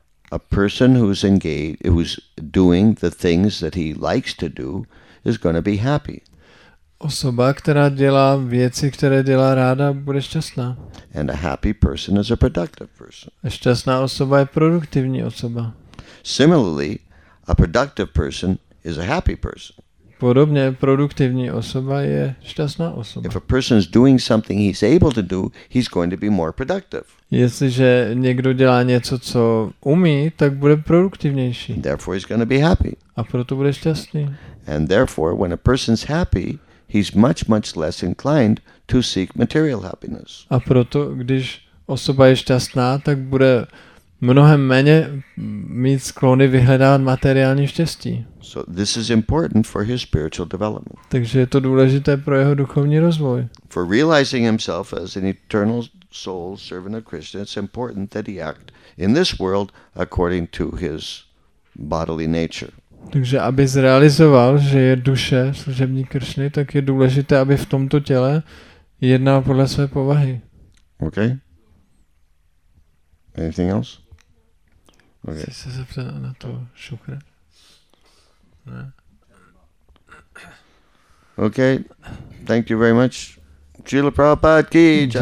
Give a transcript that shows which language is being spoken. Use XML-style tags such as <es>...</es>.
<en>A person who's engaged, who's doing the things that he likes to do, is going to be happy.</en> <cs>Osoba, která dělá věci, které dělá ráda, bude šťastná.</cs> <en>And a happy person is a productive person.</en> <cs>A šťastná osoba je produktivní osoba.</cs> <en>Similarly, a productive person is a happy person.</en> <cs>Podobně produktivní osoba je šťastná osoba.</cs> <en>If a person is doing something he's able to do, he's going to be more productive.</en> <cs>Jestliže někdo dělá něco, co umí, tak bude produktivnější.</cs> <en>Therefore he's going to be happy.</en> <cs>A proto bude šťastný.</cs> <en>And therefore when a person's happy, he's much much less inclined to seek material happiness.</en> <cs>A proto když osoba je šťastná, tak bude mnohem méně mít sklony vyhledávat materiální štěstí.</cs> <en>So this is important for his spiritual development.</en> <cs>Takže je to důležité pro jeho duchovní rozvoj.</cs> <en>For realizing himself as an eternal soul servant of Krishna, it's important that he act in this world according to his bodily nature.</en> <cs>Takže aby zrealizoval, že je duše služebník Kršny, tak je důležité, aby v tomto těle jednal podle své povahy.</cs> <en>Okay. Anything else? Okay.</en> <cs>Chci se zeptat na to šukra. Ne.</cs> <en>Okay. Thank you very much. Srila Prabhupada ki jai.</en>